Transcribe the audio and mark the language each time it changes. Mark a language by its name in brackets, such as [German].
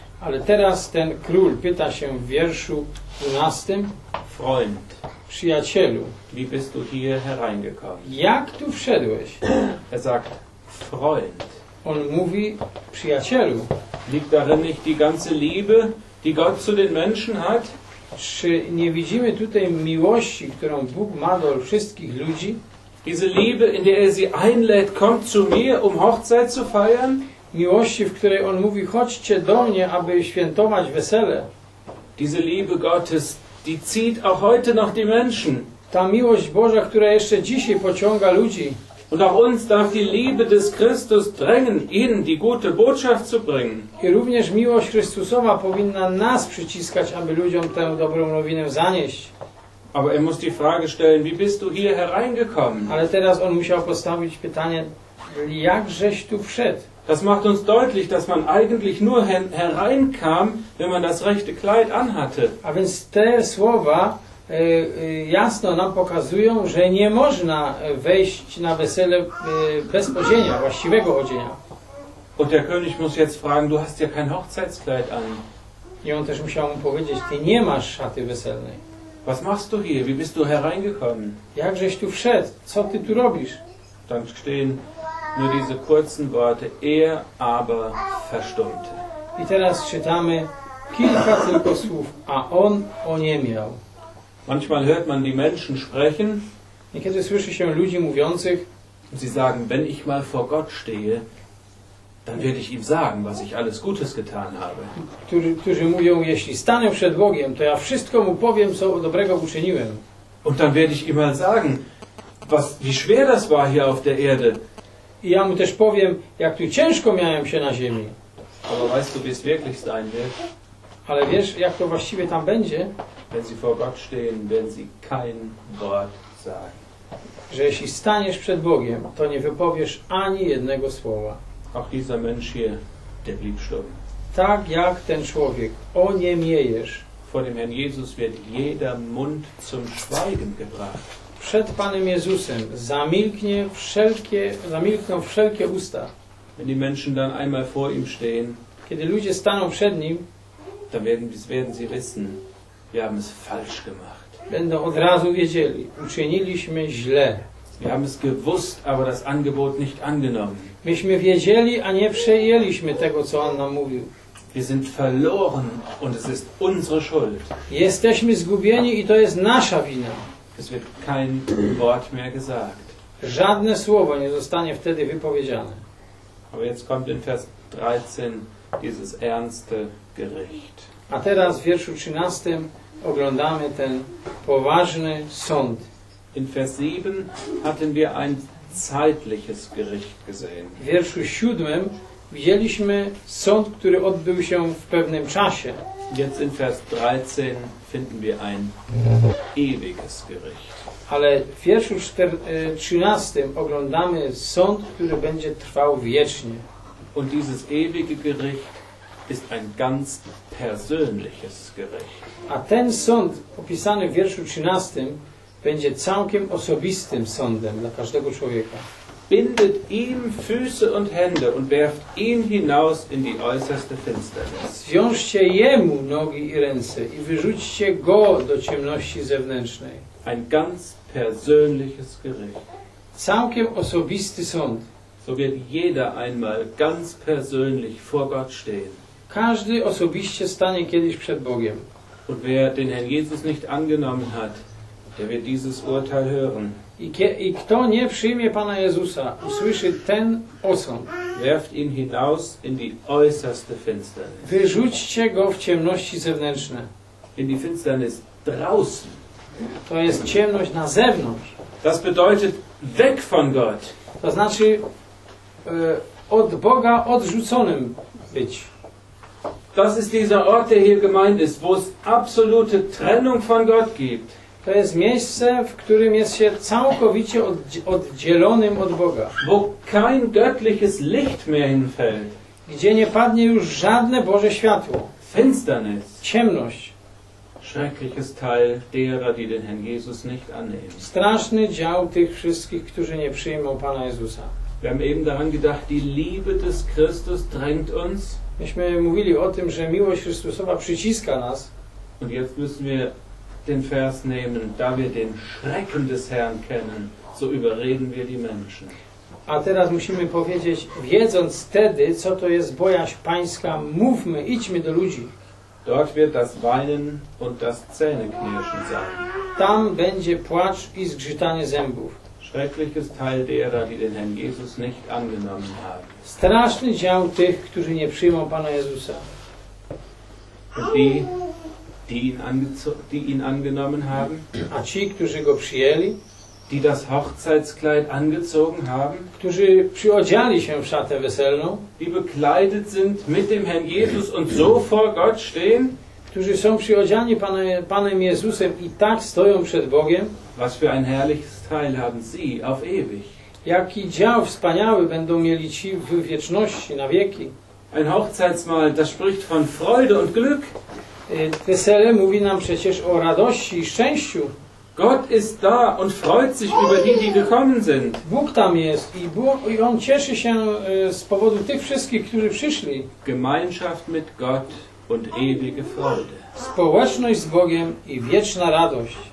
[Polish] Ale teraz ten król pyta się w wierszu 12. [German] Freund, [Polish] przyjacielu, [German] wie bist du hier hereingekommen? [Polish] Jak tu wszedłeś? [German] Er sagt, Freund. [Polish] On mówi, przyjacielu. [German] Liegt darin nicht die ganze Liebe, die Gott zu den Menschen hat? [Polish] Czy nie widzimy tutaj miłości, którą Bóg ma do wszystkich ludzi? [German] Diese Liebe, in der er sie einlädt, kommt zu mir, um Hochzeit zu feiern? [Polish] Miłości, w której on mówi, chodźcie do mnie, aby świętować wesele. [German] Diese Liebe Gottes, die zieht auch heute noch die Menschen. [Polish] Ta miłość Boża, która jeszcze dzisiaj pociąga ludzi. [German] Und auch uns darf die Liebe des Christus drängen, ihnen die gute Botschaft zu bringen. [Polish] I również miłość Chrystusowa powinna nas przyciskać, aby ludziom tę dobrą nowinę zanieść. [German] Aber er muss die Frage stellen, wie bist du hier hereingekommen? [Polish] Ale teraz on musiał postawić pytanie, jakżeś tu wszedł? [German] Das macht uns deutlich, dass man eigentlich nur hereinkam, wenn man das rechte Kleid anhatte. [Polish] A więc te słowa jasno nam pokazują, że nie można wejść na wesele bez odzienia, właściwego odzienia. [German] Und der König muss jetzt fragen, du hast ja kein Hochzeitskleid an. [Polish] I on też musiał mu powiedzieć, ty nie masz szaty weselnej. [German] Was machst du hier? Wie bist du hereingekommen? [Polish] Jakżeś tu wszedł? Co ty tu robisz? [German] Dann stehen nur diese kurzen Worte, er aber verstummte. [Polish] I teraz czytamy kilka tylko słów, a on oniemiał. [German] Manchmal hört man die Menschen sprechen. [Polish] Niekiedy słyszy się ludzi mówiących. [German] Sie sagen, wenn ich mal vor Gott stehe, dann werde ich ihm sagen, was ich alles Gutes getan habe. [Polish] Którzy mówią, jeśli stanę przed Bogiem, to ja wszystko mu powiem, co dobrego uczyniłem. [German] Und dann werde ich ihm mal sagen, was, wie schwer das war hier auf der Erde. [Polish] I ja mu też powiem, jak tu ciężko miałem się na ziemi. [German] Aber weißt du, wie es wirklich sein wird? [Polish] Ale wiesz, jak to właściwie tam będzie? [German] Wenn sie vor Gott stehen, werden sie kein Wort sagen. [Polish] Że jeśli staniesz przed Bogiem, to nie wypowiesz ani jednego słowa. [German] Auch dieser Mensch hier, der blieb stumm. [Polish] Tak jak ten człowiek, oniemiejesz. [German] Vor dem Herrn Jesus wird jeder Mund zum Schweigen gebracht. [Polish] Przed Panem Jezusem zamilkną wszelkie usta. [German] Wenn die Menschen dann einmal vor ihm stehen, [Polish] kiedy ludzie staną przed nim, [German] dann werden sie wissen, wir haben es falsch gemacht. [Polish] Będą od razu wiedzieli, uczyniliśmy źle. [German] Wir haben es gewusst, aber das Angebot nicht angenommen. [Polish] Myśmy wiedzieli, a nie przejęliśmy tego, co on nam mówił. [German] Wir sind verloren und es ist unsere Schuld. [Polish] Jesteśmy zgubieni i to jest nasza wina. [German] Es wird kein Wort mehr gesagt. [Polish] Żadne słowo nie zostanie wtedy wypowiedziane. [German] Aber jetzt kommt in Vers 13 dieses ernste Gericht. [Polish] A teraz w wierszu 13 oglądamy ten poważny sąd. [German] In Vers 7 hatten wir ein zeitliches Gericht gesehen. [Polish] W wierszu siódmym widzieliśmy sąd, który odbył się w pewnym czasie. [German] Jetzt in Vers 13 finden wir ein ewiges Gericht. [Polish] Ale w wierszu 13 oglądamy sąd, który będzie trwał wiecznie. [German] Und dieses ewige Gericht ist ein ganz persönliches Gericht. [Polish] A ten sąd opisany w wierszu 13 będzie całkiem osobistym sądem dla każdego człowieka. [German] Bindet ihm Füße und Hände und werft ihn hinaus in die äußerste Finsternis. [Polish] Zwiążcie jemu nogi i ręce i wyrzućcie go do ciemności zewnętrznej. [German] Ein ganz persönliches Gericht. [Polish] Całkiem osobisty sąd. [German] So wird jeder einmal ganz persönlich vor Gott stehen. [Polish] Każdy osobiście stanie kiedyś przed Bogiem. [German] Und wer den Herrn Jesus nicht angenommen hat, der wird dieses Urteil hören. [Polish] I kto nie przyjmie Pana Jezusa, usłyszy ten osąd. [German] Werft ihn hinaus in die äußerste Finsternis. [Polish] Wyrzućcie go w ciemności zewnętrzne. [German] In die Finsternis draußen. [Polish] To jest ciemność na zewnątrz. [German] Das bedeutet weg von Gott. [Polish] To znaczy od Boga odrzuconym być. [German] Das ist dieser Ort, der hier gemeint ist, wo es absolute Trennung von Gott gibt. [Polish] To jest miejsce, w którym jest się całkowicie oddzielonym od Boga. [German] Wo kein göttliches Licht mehr hinfällt. [Polish] Gdzie nie padnie już żadne Boże światło. [German] Finsternis. [Polish] Ciemność. [German] Schreckliches Teil derer, die den Herrn Jesus nicht annehmen. [Polish] Straszny dział tych wszystkich, którzy nie przyjmą Pana Jezusa. [German] Wir haben eben daran gedacht, die Liebe des Christus drängt uns. [Polish] Myśmy mówili o tym, że miłość Chrystusowa przyciska nas. [German] Und jetzt müssen wir den Vers nehmen, da wir den Schrecken des Herrn kennen, so überreden wir die Menschen. [Polish] A teraz musimy powiedzieć, wiedząc wtedy, co to jest bojaźń pańska, mówmy, idźmy do ludzi. [German] Dort wird das Weinen und das Zähneknirschen sein. [Polish] Tam będzie płacz i zgrzytanie zębów. [German] Schreckliches Teil derer, die den Herrn Jesus nicht angenommen haben. [Polish] Straszny dział tych, którzy nie przyjmą Pana Jezusa. [German] Die ihn angenommen haben, [Polish] a ci, którzy go przyjęli, [German] die das Hochzeitskleid angezogen haben, [Polish] którzy przyodziali się w szatę weselną, [German] die bekleidet sind mit dem Herrn Jesus und so vor Gott stehen, [Polish] którzy są przyodziani Panem Jezusem i tak stoją przed Bogiem, [German] was für ein herrliches Teil haben sie auf ewig. [Polish] Jaki dział wspaniały będą mieli ci w wieczności, na wieki. [German] Ein Hochzeitsmahl, das spricht von Freude und Glück. [Polish] Wesele mówi nam przecież o radości i szczęściu. [German] Gott ist da und freut sich über die, die gekommen sind. [Polish] Bóg tam jest i on cieszy się z powodu tych wszystkich, którzy przyszli. [German] Gemeinschaft mit Gott und ewige Freude. [Polish] Społeczność z Bogiem i wieczna radość.